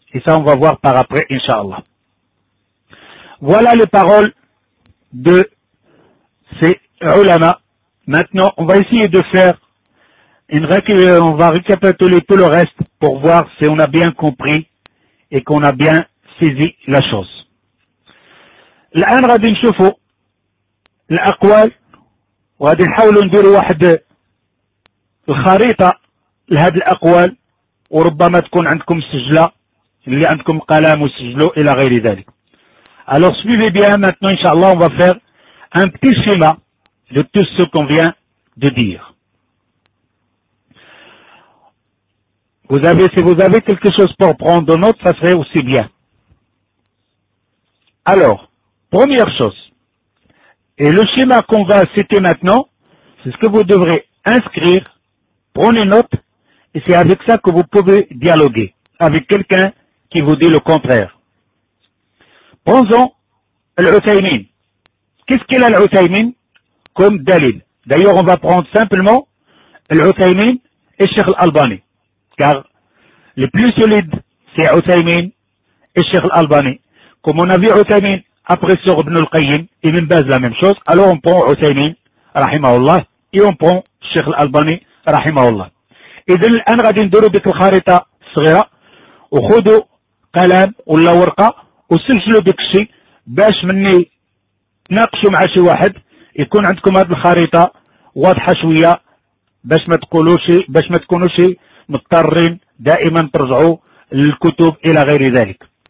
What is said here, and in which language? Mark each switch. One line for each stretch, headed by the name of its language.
French: Et ça, on va voir par après, Inch'Allah. Voilà les paroles de ces ulama. Maintenant, on va essayer de faire une on va récapituler tout le reste pour voir si on a bien compris et qu'on a bien saisi la chose.
Arabic: الآن غادي نشوفوا الأقوال وغادي نحاولوا نديروا واحد الخريطة لهذه الأقوال وربما تكون عندكم سجلة اللي عندكم قلم وسجلوا إلى غير ذلك.
French: Alors suivez bien, maintenant Inch'Allah on va faire un petit schéma de tout ce qu'on vient de dire. Vous avez, si vous avez quelque chose pour prendre de notes, ça serait aussi bien. Alors, première chose, et le schéma qu'on va citer maintenant, c'est ce que vous devrez inscrire, prenez note, et c'est avec ça que vous pouvez dialoguer avec quelqu'un qui vous dit le contraire. Prenons-en l'Uthaymin. Qu'est-ce qu'il a l'Uthaymin comme dalil? D'ailleurs, on va prendre simplement l'Uthaymin et Cheikh Al-Albani. Car le plus solide, c'est l'Uthaymin et Cheikh Al-Albani. Comme on a vu l'Uthaymin après sur Ibn al-Qayyim, et même base la même chose, alors on prend l'Uthaymin, rahimahullah, et on prend Cheikh Al-Albani, rahimahullah. Et donc, on va faire une
Arabic: charita sghira, ou khudu, qalam, ou la warqa, وسجلوا ديك الشيء باش مني تناقشوا مع شي واحد يكون عندكم هذه الخريطه واضحه شويه باش ما تقولوش باش ما تكونوش مضطرين دائما ترجعوا للكتب الى غير ذلك.